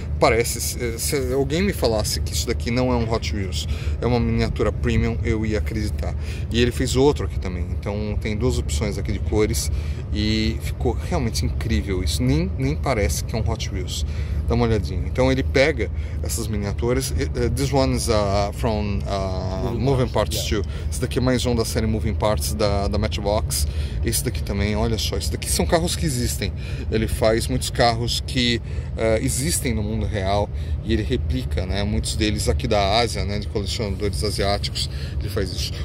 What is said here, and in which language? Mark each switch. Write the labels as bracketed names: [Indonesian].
[Portuguese] Parece, se alguém me falasse que isso daqui não é um Hot Wheels, é uma miniatura premium, eu ia acreditar. E ele fez outro aqui também, então tem duas opções aqui de cores e ficou realmente incrível isso, nem parece que é um Hot Wheels. Dá uma olhadinha. Então ele pega entrega essas miniaturas. [English] This one is from Moving Parts 2. [Portuguese] Esse daqui é mais um da série Moving Parts da Matchbox. Esse daqui também, olha só. Esse daqui são carros que existem. Ele faz muitos carros que existem no mundo real e ele replica, né? Muitos deles aqui da Ásia, né? De colecionadores asiáticos, ele faz isso.